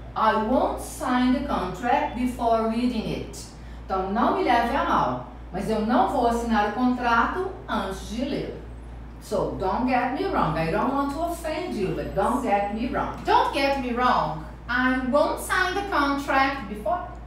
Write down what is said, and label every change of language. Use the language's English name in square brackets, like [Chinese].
[English] I won't sign the contract before reading it. [Portuguese] Então, não me leve a mal. Mas eu não vou assinar o contrato antes de ler. [English] So, don't get me wrong. I don't want to offend you, but don't get me wrong. Don't get me wrong. I won't sign the contract before...